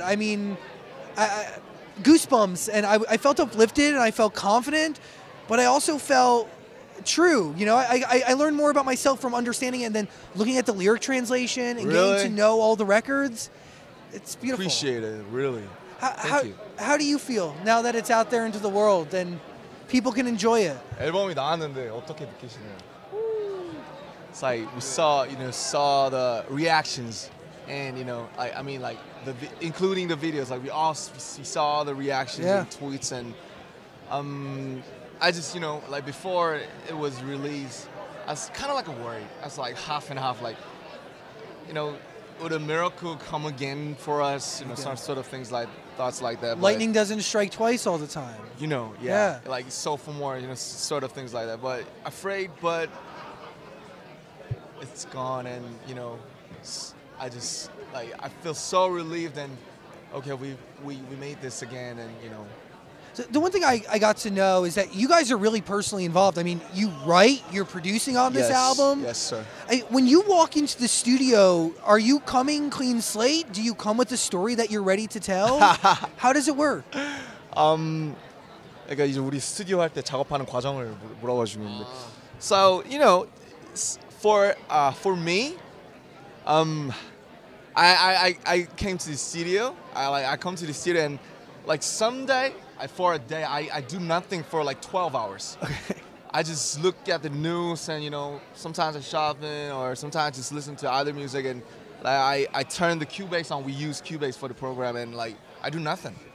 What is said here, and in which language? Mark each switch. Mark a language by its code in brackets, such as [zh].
[en] I mean, goosebumps, and I felt uplifted, and I felt confident, but I also felt true. You know, I learned more about myself from understanding it and then looking at the lyric translation and really? Getting to know all the records. It's beautiful. Appreciate it, really. How do you feel now that it's out there into the world and people can enjoy it? [ko] 앨범이 나왔는데 어떻게 느끼시나요? [en] It's like we saw the reactions, and you know, including the videos, like we saw the reactions and tweets, and I just, you know, like before it was released, I was kind of like a worry. I was like half and half, like, you know, would a miracle come again for us? You know, some sort of things like thoughts like that. Lightning doesn't strike twice all the time. You know, yeah. Like sophomore, you know, sort of things like that. But afraid, but it's gone. And, you know, I feel so relieved. And, okay, we made this again. And, you know. So the one thing I got to know is that you guys are really personally involved. I mean, you write, you're producing on this album. Yes, sir. When you walk into the studio, are you coming clean slate? Do you come with a story that you're ready to tell? How does it work? [ko] 그러니까 이제 우리 스튜디오 할 때 작업하는 과정을 물어봐 주는데. [en] So, you know, for me, I came to the studio. I come to the studio and like someday for a day, I do nothing for like 12 hours. Okay. I just look at the news and, you know, sometimes I shopping or sometimes just listen to other music, and like I turn the Cubase on. We use Cubase for the program, and like I do nothing.